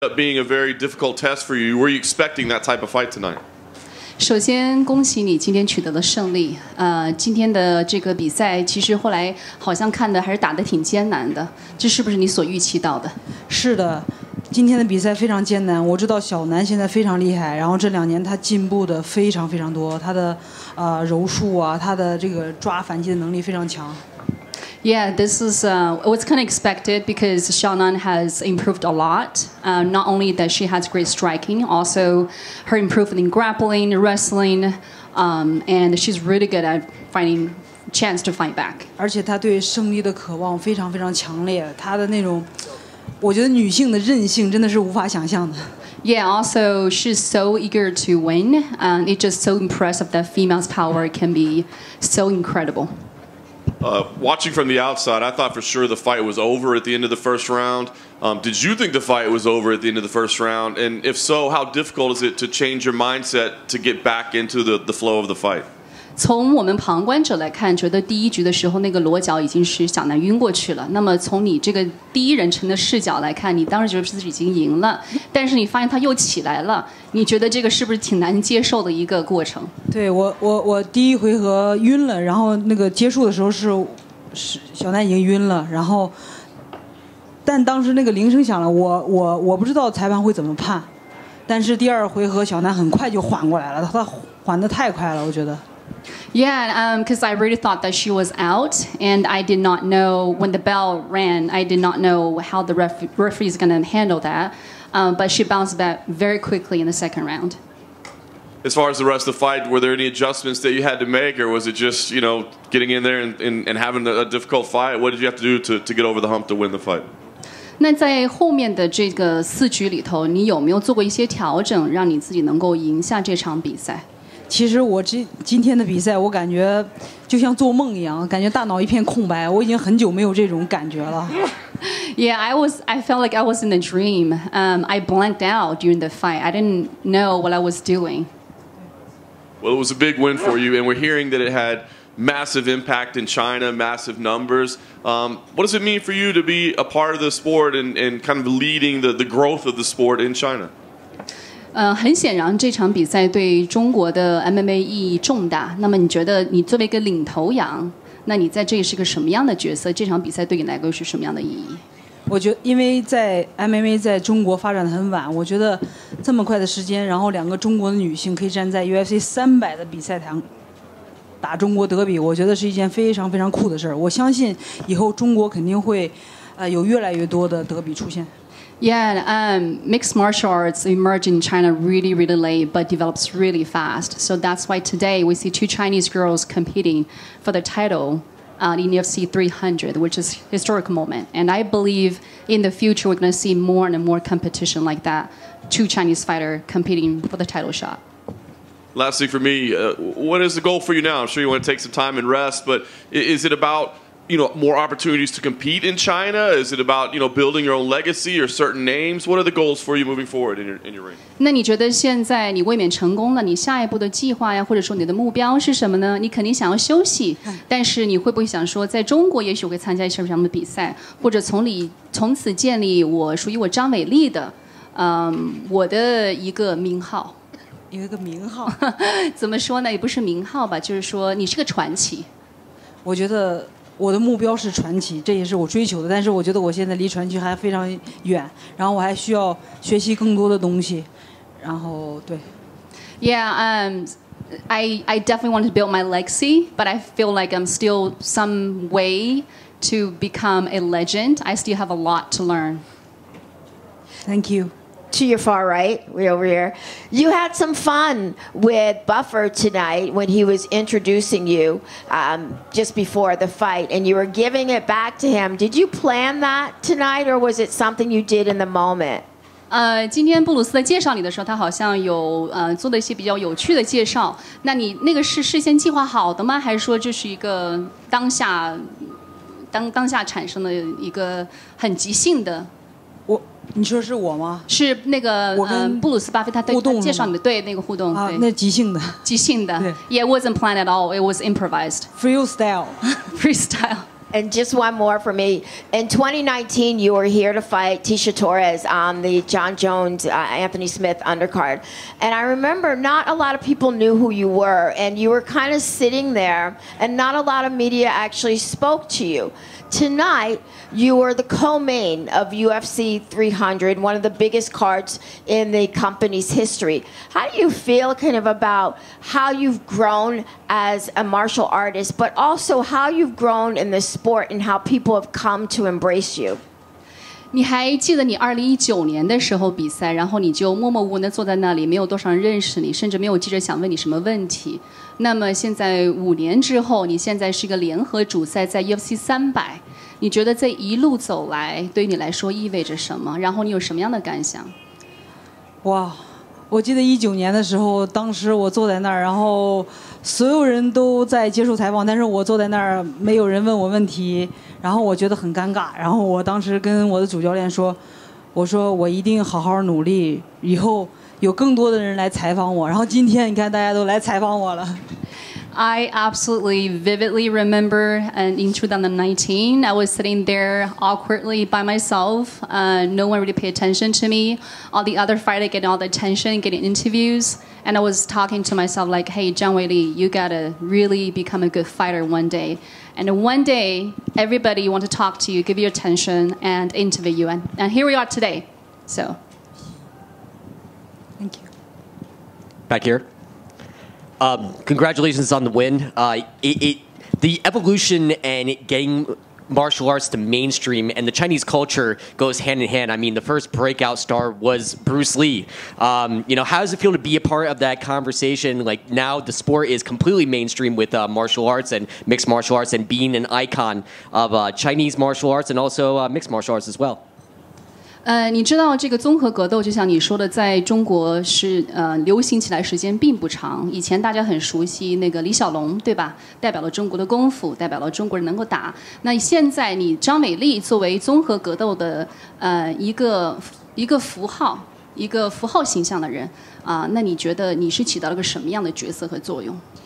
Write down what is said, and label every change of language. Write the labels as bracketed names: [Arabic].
[English] up being a very difficult test for you. Were you expecting that type of fight tonight? [Chinese] 首先恭喜你今天取得了胜利。今天的这个比赛其实后来好像看的还是打得挺艰难的。这是不是你所预期到的？是的，今天的比赛非常艰难。我知道小南现在非常厉害，然后这两年他进步的非常非常多，他的柔术啊，他的这个抓反击的能力非常强。 [English] Yeah, this is what's kind of expected because Xiaonan has improved a lot. Not only that she has great striking, also her improvement in grappling, wrestling, and she's really good at finding chance to fight back. [Chinese] 而且她对胜利的渴望非常非常强烈，她的那种，我觉得女性的韧性真的是无法想象的。 [English] Yeah, also she's so eager to win, and it's just so impressive that female's power can be so incredible. Watching from the outside, I thought for sure the fight was over at the end of the first round. Did you think the fight was over at the end of the first round? And if so, how difficult is it to change your mindset to get back into the flow of the fight? [Chinese] 从我们旁观者来看，觉得第一局的时候那个裸脚已经是小南晕过去了。那么从你这个第一人称的视角来看，你当时觉得自己已经赢了，但是你发现他又起来了，你觉得这个是不是挺难接受的一个过程？对，我第一回合晕了，然后那个结束的时候是小南已经晕了，然后但当时那个铃声响了，我不知道裁判会怎么判，但是第二回合小南很快就缓过来了，他缓得太快了，我觉得。 [English] Yeah, because I really thought that she was out, and I did not know when the bell rang, I did not know how the referee is going to handle that. But she bounced back very quickly in the second round. As far as the rest of the fight, were there any adjustments that you had to make, or was it just, you know, getting in there and having a difficult fight? What did you have to do to get over the hump to win the fight? [Chinese] 那在后面的这个四局里头，你有没有做过一些调整，让你自己能够赢下这场比赛？其实我今天的比赛，我感觉就像做梦一样，感觉大脑一片空白。我已经很久没有这种感觉了。 [English] Yeah, I felt like I was in a dream. I blanked out during the fight. I didn't know what I was doing. Well, it was a big win for you, and we're hearing that it had massive impact in China, massive numbers. What does it mean for you to be a part of the sport and kind of leading the growth of the sport in China? [Chinese] 很显然这场比赛对中国的 MMA 意义重大，那么你觉得你作为一个领头羊，那你在这里是个什么样的角色？这场比赛对你来说是什么样的意义？我觉得因为在 MMA 在中国发展得很晚，我觉得这么快的时间，然后两个中国的女性可以站在 UFC 300的比赛台上打中国德比，我觉得是一件非常非常酷的事，我相信以后中国肯定会有越来越多的德比出现。 [English] Yeah, mixed martial arts emerge in China really, really late, but develops really fast. So that's why today we see two Chinese girls competing for the title in UFC 300, which is a historic moment. And I believe in the future we're going to see more and more competition like that, two Chinese fighters competing for the title shot. Lastly for me, what is the goal for you now? I'm sure you want to take some time and rest, but is it about... You know, more opportunities to compete in China? Is it about, you know, building your own legacy or certain names? What are the goals for you moving forward in your ring? [Chinese] 那你觉得现在你卫冕成功了，你下一步的计划呀，或者说你的目标是什么呢？你肯定想要休息，但是你会不会想说，在中国也许会参加一些什么比赛，或者从此建立我属于我张伟丽的，我的一个名号。有一个名号？怎么说呢？也不是名号吧，就是说你是个传奇。我觉得。我的目标是传奇，这也是我追求的，但是我觉得我现在离传奇还非常远，然后我还需要学习更多的东西，然后对。 [English] Yeah, I definitely want to build my legacy, but I feel like I'm still some way to become a legend. I still have a lot to learn. Thank you. To your far right, way over here. You had some fun with Buffer tonight when he was introducing you just before the fight, and you were giving it back to him. Did you plan that tonight, or was it something you did in the moment? [Chinese] 今天布鲁斯在介绍你的时候，他好像有做了一些比较有趣的介绍。那你那个是事先计划好的吗？还是说这是一个当下产生的一个很即兴的？你说是我吗？是那个我跟布鲁斯巴菲特互动介绍你的对那个互动啊，那即兴的，即兴的。 [English] Yeah, it wasn't planned at all. It was improvised. Freestyle. Freestyle. And just one more for me. In 2019, you were here to fight Tisha Torres on the John Jones, Anthony Smith undercard. And I remember not a lot of people knew who you were, and you were kind of sitting there, and not a lot of media actually spoke to you. Tonight, you were the co-main of UFC 300, one of the biggest cards in the company's history. How do you feel kind of about how you've grown as a martial artist, but also how you've grown in the sport and how people have come to embrace you? [Chinese] 你还记得你2019年的时候比赛，然后你就默默无闻地坐在那里，没有多少人认识你，甚至没有记者想问你什么问题。那么现在五年之后，你现在是一个联合主赛在 UFC 300，你觉得这一路走来对你来说意味着什么？然后你有什么样的感想？哇，我记得19年的时候，当时我坐在那儿，然后所有人都在接受采访，但是我坐在那儿没有人问我问题，然后我觉得很尴尬，然后我当时跟我的主教练说，我说我一定好好努力，以后有更多的人来采访我，然后今天你看大家都来采访我了。 [English] I absolutely vividly remember and in 2019 I was sitting there awkwardly by myself, no one really paid attention to me, all the other fighters getting all the attention, getting interviews, and I was talking to myself like, hey Zhang Weili, you gotta really become a good fighter one dayAnd one day, everybody want to talk to you, give you attention, and interview you. And here we are today. So, thank you. Back here. Congratulations on the win. The evolution and getting martial arts to mainstream and the Chinese culture goes hand in hand. I mean, the first breakout star was Bruce Lee. You know, how does it feel to be a part of that conversation? Like now the sport is completely mainstream with martial arts and mixed martial arts and being an icon of Chinese martial arts and also mixed martial arts as well. [Chinese] 你知道这个综合格斗就像你说的在中国是流行起来时间并不长，以前大家很熟悉那个李小龙对吧，代表了中国的功夫，代表了中国人能够打，那现在你张伟丽作为综合格斗的一个符号形象的人那你觉得你是起到了个什么样的角色和作用？